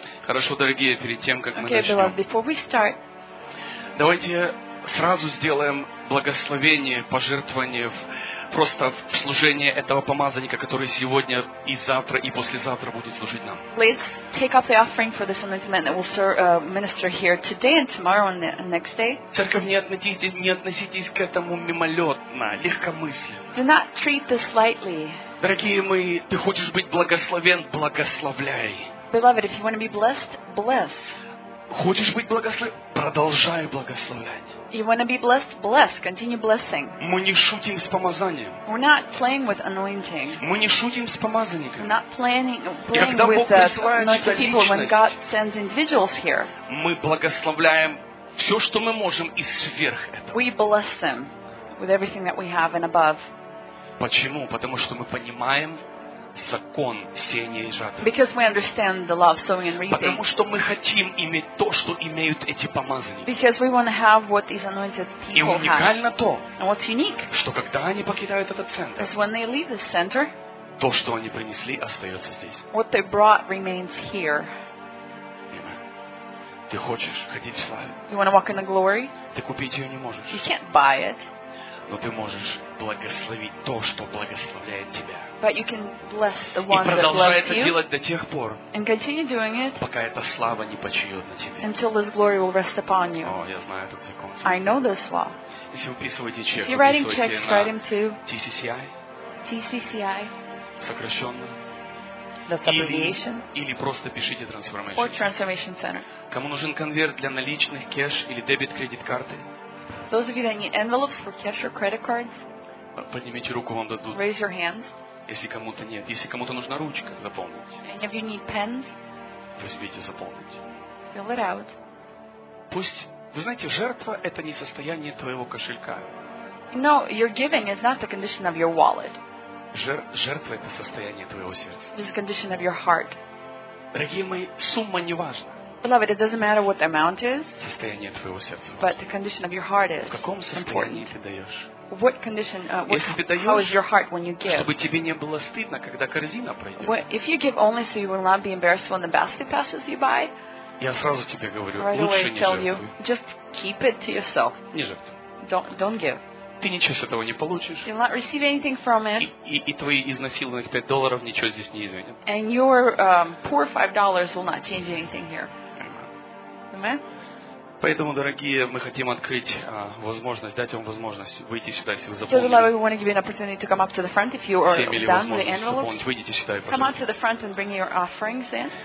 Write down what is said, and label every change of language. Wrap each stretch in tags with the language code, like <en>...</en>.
<ru>Хорошо, дорогие, перед тем, как мы начнем.</ru> <en>Okay, beloved, before we start,</en> <ru>давайте сразу сделаем благословение, пожертвование в просто в служение этого помазанника, который сегодня и завтра и послезавтра будет служить нам.</ru> <en>Let's take up the offering for this anointed man that will serve, minister here today and tomorrow and the next day.</en> <ru>Церковь, не относитесь к этому мимолетно, легкомысленно.</ru> <en>Do not treat this lightly.</en> <ru>Дорогие мои, ты хочешь быть благословен, благословляй.</ru> <en>Beloved, if you want to be blessed, bless.</en> <ru>Хочешь быть благословен? Продолжай благословлять.</ru> <en>You want to be blessed? Bless. Continue blessing.</en> <ru>Мы не шутим с помазанием.</ru> <en>We're not playing with anointing.</en> <ru>Мы не шутим с помазанником.</ru> <en>We're not playing with anointed people when God sends individuals here.</en> <ru>Мы благословляем все, что мы можем, и сверх этого.</ru> <en>We bless them with everything that we have and above.</en> <ru>Почему? Потому что мы понимаем закон сеяния и жатвы.</ru> <en>Because we understand the law of sowing and reaping.</en> <ru>Потому что мы хотим иметь то, что имеют эти помазанники.</ru> <en>Because we want to have what these anointed people have.</en> <ru>И уникально то.</ru> <en>And what's unique?</en> <ru>Что когда они покидают этот центр?</ru> <en>Is when they leave this center.</en> <ru>То, что они принесли, остается здесь.</ru> <en>What they brought remains here.</en> <ru>Ты хочешь ходить в славе?</ru> <en>You want to walk in the glory?</en> <ru>Ты купить ее не можешь.</ru> <en>You can't buy it.</en> <ru>Но ты можешь благословить то, что благословляет тебя.</ru> <en>But you can bless the one</en> <ru>и продолжай</ru> <en>that</en> <ru>это делать до тех пор,</ru> <en>it,</en> <ru>пока эта слава не почиет на тебе.</ru> <en>Until this glory will rest upon you.</en> <ru>О, я знаю этот закон.</ru> <en>I know this law.</en> <ru>Если вы вписываете чек,</ru> <en>if you're writing checks, write them to TCCI. TCCI.</en> <ru>Сокращенно.</ru> <en>That's abbreviation.</en> <ru>Или просто пишите Transformation.</ru> <en>Or Transformation Center.</en> <ru>Кому нужен конверт для наличных, кэш или дебет-кредит карты?</ru> <en>Those of you that need envelopes for cash or credit cards,</en> <ru>поднимите руку, вам дадут.</ru> <en>Raise your hands.</en> <ru>Если кому-то нет, если кому-то нужна ручка, заполнить.</ru> <en>And if you need pens,</en> <ru>возьмите, заполнить.</ru> <en>Fill it out.</en> <ru>Пусть, вы знаете, жертва – это не состояние твоего кошелька.</ru> <en>No, your giving is not the condition of your wallet.</en> <ru>Жертва – это состояние твоего сердца.</ru> <en>It's the condition of your heart.</en> <ru>Дорогие мои, сумма не важна.</ru> <en>Beloved, it doesn't matter what the amount is,</en> <ru>состояние твоего сердца,</ru> <en>but the condition of your heart is</en> <ru>в каком состоянии ты даешь?</ru> <en>What condition? How is your heart when you give?</en> <ru>Чтобы тебе не было стыдно, когда корзина пройдет.</ru> <en>If you give only so you will not be embarrassed when the basket passes you by.</en> <ru>Я сразу тебе говорю,</ru> <en>right</en> <ru>лучше не жертвуй.</ru> <en>You, just keep it to yourself.</en> <ru>Не жертвуй.</ru> <en>Don't give.</en> <ru>Ты ничего с этого не получишь.</ru> <en>You'll not receive anything from it.</en> <ru>И твои изнасилованных $5 ничего здесь не изменят.</ru> <en>And your poor $5 will not change anything here. Amen.</en> <ru>Поэтому, дорогие, мы хотим открыть возможность, дать вам возможность выйти сюда, если вы заполнили.</ru> <en>So, beloved, we want to give you an opportunity to come up to the front if you are done with the envelopes.</en> <ru>Выйдите сюда, пожалуйста.</ru> <en>Come up to the front and bring your offerings in.</en>